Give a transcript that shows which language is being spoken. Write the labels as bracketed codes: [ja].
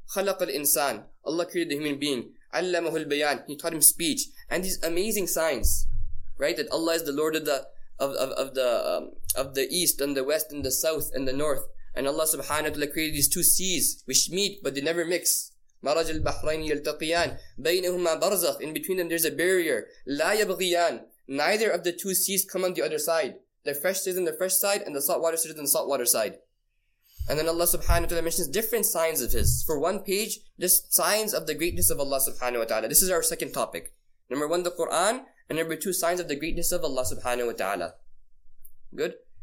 [ar] خَلَقَ الْإِنسَانِ. [en] Allah created the human being. [ar] عَلَّمَهُ الْبَيَانِ. [en] He taught him speech. And these amazing signs, right? That Allah is the Lord of the east and the west and the south and the north. And Allah subhanahu wa ta'ala created these two seas which meet but they never mix. [ar] مرج البحرين يلتقيان بينهما برزخ. [en] In between them there's a barrier. [ar] لا يبغيان. [en] Neither of the two seas come on the other side. The fresh sea is on the fresh side and the salt water sea is on the salt water side. And then Allah subhanahu wa ta'ala mentions different signs of his. For one page, just signs of the greatness of Allah subhanahu wa ta'ala. This is our second topic. Number one, the Quran. And number two, signs of the greatness of Allah subhanahu wa ta'ala. Good?